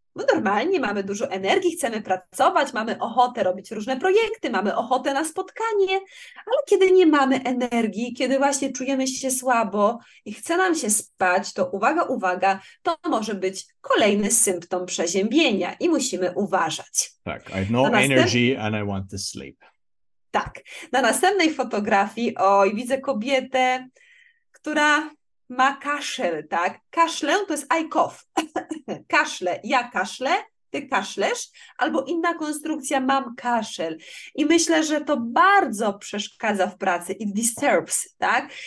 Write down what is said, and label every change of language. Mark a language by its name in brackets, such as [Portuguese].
[Polish] Bo normalnie mamy dużo energii, chcemy pracować, mamy ochotę robić różne projekty, mamy ochotę na spotkanie, ale kiedy nie mamy energii, kiedy właśnie czujemy się słabo i chce nam się spać, to uwaga, uwaga, to może być kolejny symptom przeziębienia i musimy uważać. Tak, [English] I have no energy and I want to sleep. [Polish] Tak, na następnej fotografii, oj, widzę kobietę, która ma kaszel, tak? Kaszlę to jest [English] I cough. [Polish] Kaszle, ja kaszlę, ty kaszlesz, albo inna konstrukcja, mam kaszel. I myślę, że to bardzo przeszkadza w pracy, [English] it disturbs, [Polish] tak?